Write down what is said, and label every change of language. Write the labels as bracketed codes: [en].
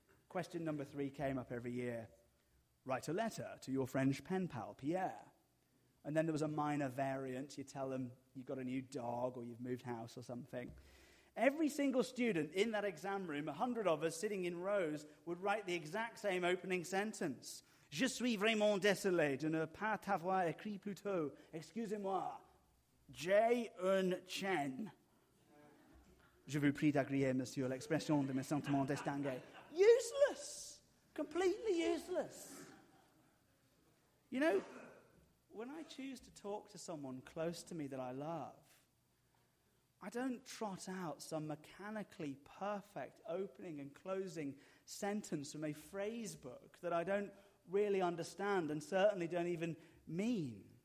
[en] Question number 3 came up every year. Write a letter to your French pen pal, Pierre. And then there was a minor variant. You tell them you've got a new dog or you've moved house or something. Every single student in that exam room, 100 of us sitting in rows, would write the exact same opening sentence. [fr] Je suis vraiment désolé de ne pas t'avoir écrit plus tôt. Excusez-moi. J'ai un chien. Je vous prie d'agréer, monsieur, l'expression de mes sentiments distingués. [en] Useless. Completely useless. You know, when I choose to talk to someone close to me that I love, I don't trot out some mechanically perfect opening and closing sentence from a phrase book that I don't really understand and certainly don't even mean.